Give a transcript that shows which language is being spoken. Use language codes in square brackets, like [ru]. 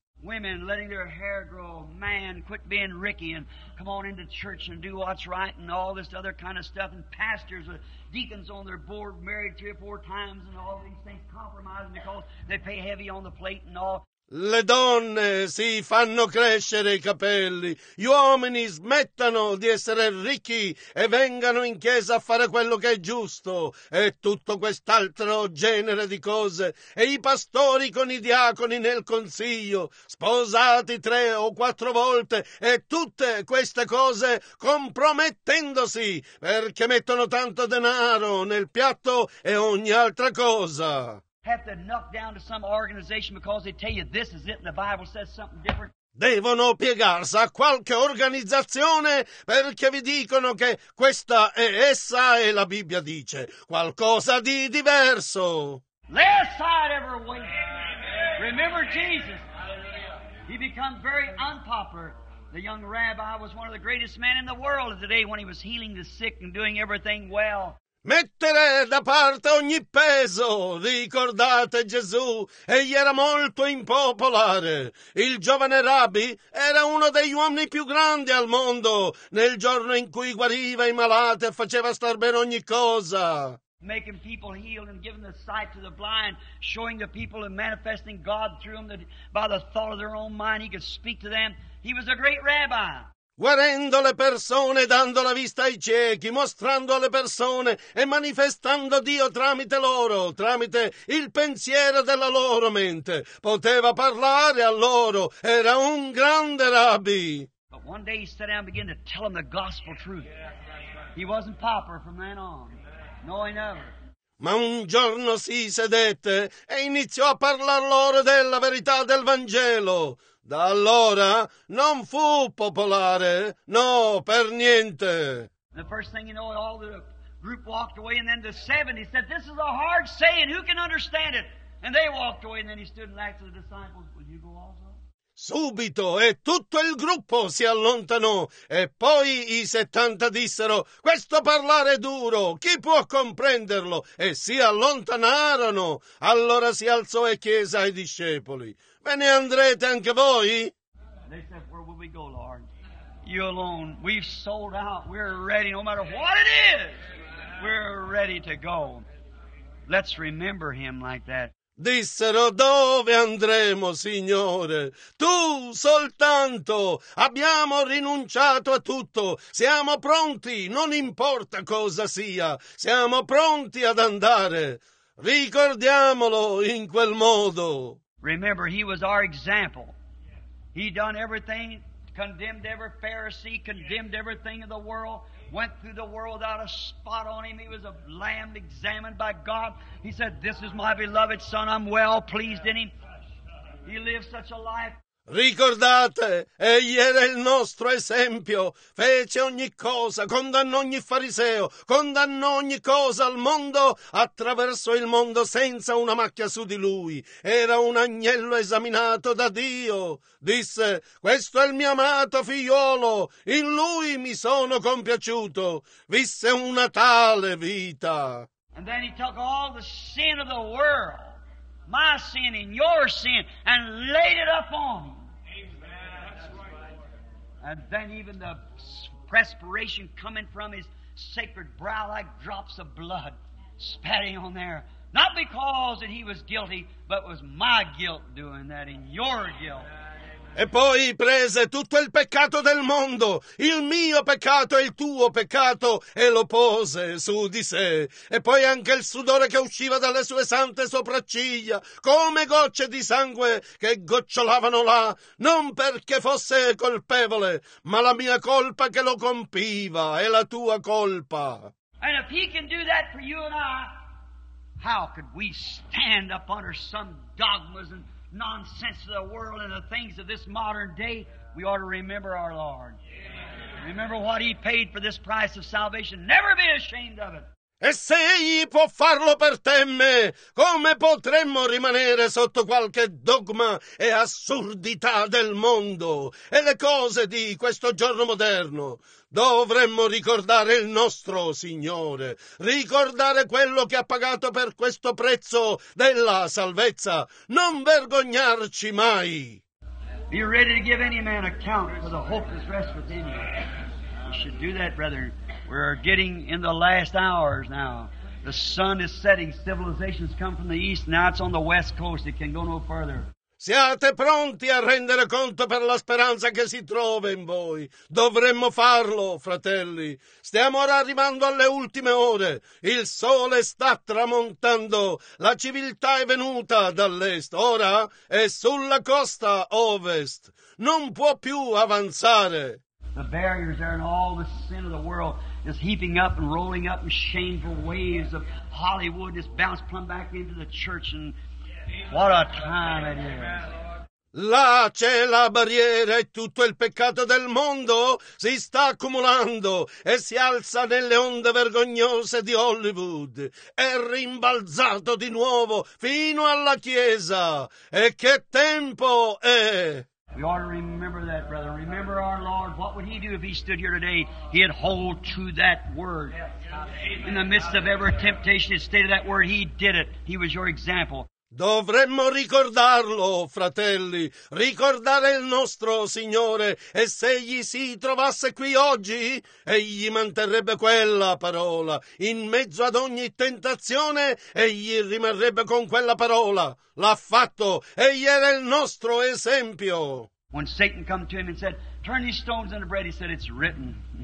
[en] Women letting their hair grow, man quit being Ricky and come on into church and do what's right and all this other kind of stuff, and pastors with deacons on their board married 3 or 4 times and all these things compromising because they pay heavy on the plate and all. [it] Le donne si fanno crescere i capelli, gli uomini smettano di essere ricchi e vengano in chiesa a fare quello che è giusto e tutto quest'altro genere di cose, e i pastori con i diaconi nel consiglio, sposati 3 o 4 volte e tutte queste cose compromettendosi perché mettono tanto denaro nel piatto e ogni altra cosa. [en] Have to knock down to some organization because they tell you this is it and the Bible says something different. [it] Devono piegarsi a qualche organizzazione perché vi dicono che questa è essa e la Bibbia dice qualcosa di diverso. [en] Lay aside every weight. Remember Jesus. He became very unpopular. The young rabbi was one of the greatest men in the world today when he was healing the sick and doing everything well. [it] Mettere da parte ogni peso, ricordate Gesù, egli era molto impopolare. Il giovane rabbi era uno degli uomini più grandi al mondo nel giorno in cui guariva i malati e faceva star bene ogni cosa. [en] Making people heal and giving the sight to the blind, showing the people and manifesting God through them that by the thought of their own mind he could speak to them. He was a great rabbi. [it] Guarendo le persone, dando la vista ai ciechi, mostrando alle persone e manifestando Dio tramite loro, tramite il pensiero della loro mente. Poteva parlare a loro, era un grande rabbi. [en] But one day he sat down and began to tell them the gospel truth. He wasn't pauper from then on. No, he never. [it] Ma un giorno si sedette e iniziò a parlare loro della verità del Vangelo. Da allora non fu popolare, no, per niente. [en] The first thing you know, all the group walked away, and then the 70 said, "This is a hard saying, who can understand it?" And they walked away, and then he stood and asked the disciples, "Will you go also?" [it] Subito e tutto il gruppo si allontanò, e poi i 70 dissero, "Questo parlare è duro, chi può comprenderlo?" E si allontanarono. Allora si alzò e chiese ai discepoli, "Ve ne andrete anche voi?" [en] They said, "Where will we go, Lord? You alone. We've sold out. We're ready, no matter what it is. We're ready to go. Let's remember him like that." [it] Dissero, "Dove andremo, Signore? Tu soltanto. Abbiamo rinunciato a tutto. Siamo pronti, non importa cosa sia. Siamo pronti ad andare. Ricordiamolo in quel modo." [en] Remember, he was our example. He done everything, condemned every Pharisee, condemned everything in the world, went through the world without a spot on him. He was a lamb examined by God. He said, "This is my beloved son, I'm well pleased in him." He lived such a life. [it] Ricordate, egli era il nostro esempio, fece ogni cosa, condannò ogni fariseo, condannò ogni cosa al mondo, attraverso il mondo senza una macchia su di lui. Era un agnello esaminato da Dio. Disse, "Questo è il mio amato figliolo, in lui mi sono compiaciuto." Visse una tale vita. [en] And then he took all the sin of the world, my sin and your sin, and laid it up on him. And then even the perspiration coming from his sacred brow like drops of blood spatting on there. Not because that he was guilty, but was my guilt doing that in your guilt. [it] E poi prese tutto il peccato del mondo, il mio peccato e il tuo peccato, e lo pose su di sé. E poi anche il sudore che usciva dalle sue sante sopracciglia, come gocce di sangue che gocciolavano là, non perché fosse colpevole, ma la mia colpa che lo compiva, e la tua colpa. [en] And if he can do that for you and I, how could we stand up under some dogmas and nonsense of the world and the things of this modern day? We ought to remember our Lord. Amen. Remember what he paid for this price of salvation. Never be ashamed of it. [it] E se egli può farlo per te e me, come potremmo rimanere sotto qualche dogma e assurdità del mondo e le cose di questo giorno moderno? Dovremmo ricordare il nostro Signore, ricordare quello che ha pagato per questo prezzo della salvezza, non vergognarci mai. [en] Be ready to give any man account for the hope that rests within you. You should do that, brother. We're getting in the last hours now. The sun is setting. Civilization's come from the east. Now it's on the west coast. It can go no further. [it] Siate pronti a rendere conto per la speranza che si trova in voi. Dovremmo farlo, fratelli. Stiamo ora arrivando alle ultime ore. Il sole sta tramontando. La civiltà è venuta dall'est. Ora è sulla costa ovest. Non può più avanzare. [en] The barriers there and all the sin of the world is heaping up and rolling up in shameful waves of Hollywood just bounced plumb back into the church, and what a time it is. [it] Là c'è la barriera e tutto il peccato del mondo si sta accumulando e si alza nelle onde vergognose di Hollywood. È rimbalzato di nuovo fino alla chiesa. E che tempo è! [en] We ought to remember that, brother. Remember our Lord. Lord, what would he do if he stood here today? He'd hold to that word. Amen. In the midst of every temptation, he'd stay to that word. He did it. He was your example. [it] Dovremmo ricordarlo, fratelli, ricordare il nostro Signore, e se egli si trovasse qui oggi, egli manterrebbe quella parola. In mezzo ad ogni tentazione, egli rimarrebbe con quella parola. L'ha fatto, egli era il nostro esempio. [en] When Satan came to him and said, turn these stones into bread, he said, it's written.